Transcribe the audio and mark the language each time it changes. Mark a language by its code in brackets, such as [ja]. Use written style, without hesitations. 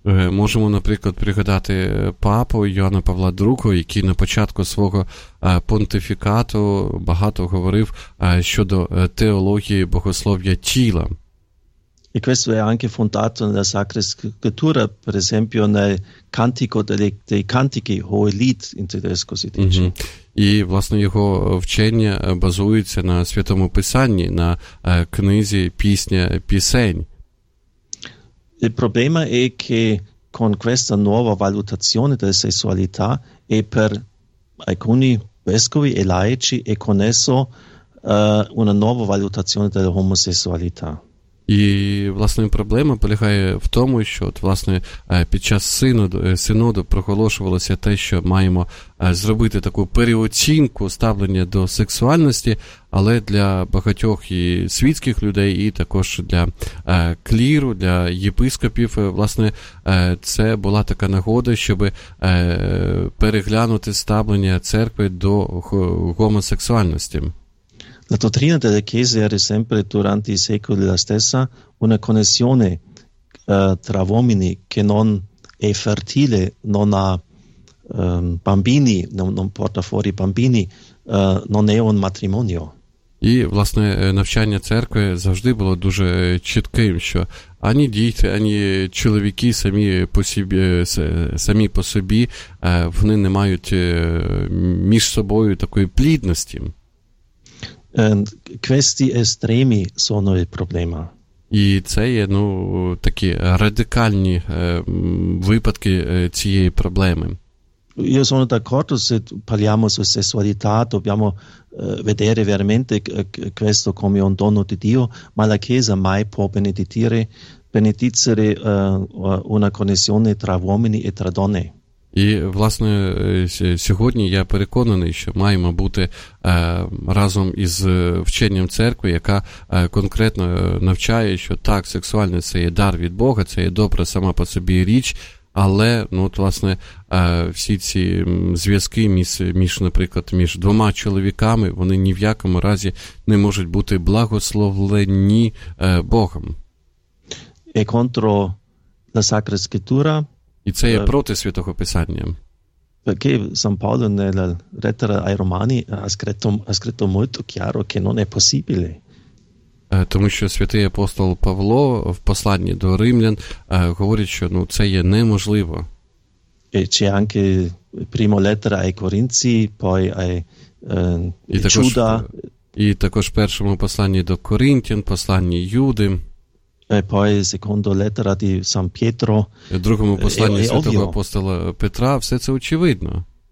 [uk] Можемо, наприклад, пригадати папу Йоанна Павла II, який на початку свого понтифікату багато говорив щодо теології богослов'я тіла. [it] E questo è anche fondato nella Sacra Scrittura, per esempio nel Cantico dei Cantichi, Hohelied in tedesco si dice. Mm-hmm. [uk] І, власне, його вчення базується на Святому Писанні, на книзі «Пісня пісень». [it] Il problema è che con questa nuova valutazione della sessualità è per alcuni vescovi e laici e con esso una nuova valutazione della omosessualità. [uk] І, власне, проблема полягає в тому, що, от, власне, під час синоду проголошувалося те, що маємо зробити таку переоцінку ставлення до сексуальності, але для багатьох і світських людей, і також для кліру, для єпископів, власне, це була така нагода, щоб переглянути ставлення церкви до гомосексуальності. [it] La dottrina della Chiesa era sempre durante i secoli la stessa, una connessione tra uomini che non è fertile, non ha bambini, non porta fuori bambini, non è un matrimonio. [uk] І, власне, навчання церкви завжди було дуже чітким, що ані діти, ані чоловіки самі по собі вони не мають між собою такої плідності. [it] And questi estremi sono il problema. [uk] І це є, ну, такі радикальні випадки цієї проблеми. [it] Io sono d'accordo, se parliamo su sessualità, dobbiamo vedere veramente questo come un dono di Dio, ma la Chiesa mai può benedizzare una connessione tra uomini e tra donne. [uk] І, власне, сьогодні я переконаний, що маємо бути разом із вченням церкви, яка конкретно навчає, що так, сексуальність – це є дар від Бога, це є добра сама по собі річ, але, ну, от, власне, всі ці зв'язки, наприклад, між двома чоловіками, вони ні в якому разі не можуть бути благословлені Богом. [it] E contro la Sacra Scrittura. [uk] І це є проти Святого Писання. [it] Perché San Paolo nella lettera ai Romani ha scritto molto chiaro che non è possibile. [uk] Тому що святий апостол Павло в посланні до римлян говорить, що ну, це є неможливо. [it] E c'è anche prima lettera ai Corinzi, poi ai Giuda. [uk] І також в першому посланні до Коринтян, посланні Юди. [it] E poi secondo lettera di San Pietro. [uk] В другому посланні святого апостола Петра все це очевидно.